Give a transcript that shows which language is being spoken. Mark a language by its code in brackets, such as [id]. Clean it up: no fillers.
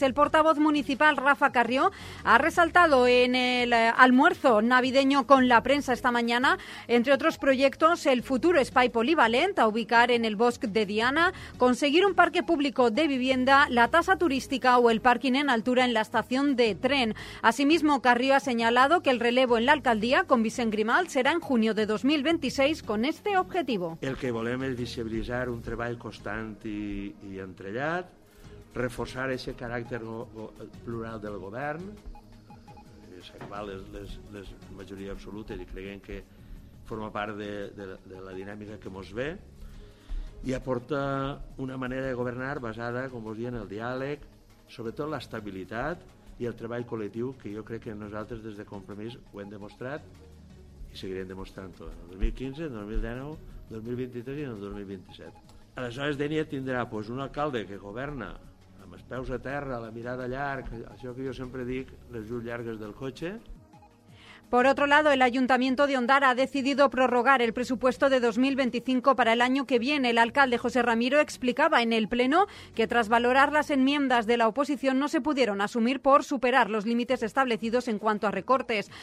[es] El portavoz municipal, Rafa Carrió, ha resaltado en el almuerzo navideño con la prensa esta mañana, entre otros proyectos, el futuro espai polivalent a ubicar en el Bosque de Diana, conseguir un parque público de vivienda, la tasa turística o el parking en altura en la estación de tren. Asimismo, Carrió ha señalado que el relevo en la alcaldía con Vicent Grimalt será en junio de 2026 con este objetivo. [ca] El que volem és visibilitzar un treball constant i entrellat, reforçar aquest caràcter plural del govern, salvar les majoria absoluta i creguem que forma part de la dinàmica que ens ve, i aportar una manera de governar basada, com vos dic, en el diàleg, sobretot l'estabilitat i el treball col·lectiu, que jo crec que nosaltres des de Compromís ho hem demostrat i seguirem demostrant tot. En 2015, en 2019... 2023 i en el 2027. Aleshores, Denia tindrà doncs, un alcalde que governa amb els peus a terra, la mirada llarg, això que jo sempre dic, les ulls llargues del cotxe. [es] Por otro lado, el Ayuntamiento de Ondara ha decidido prorrogar el presupuesto de 2025 para el año que viene. El alcalde José Ramiro explicaba en el Pleno que tras valorar las enmiendas de la oposición no se pudieron asumir por superar los límites establecidos en cuanto a recortes.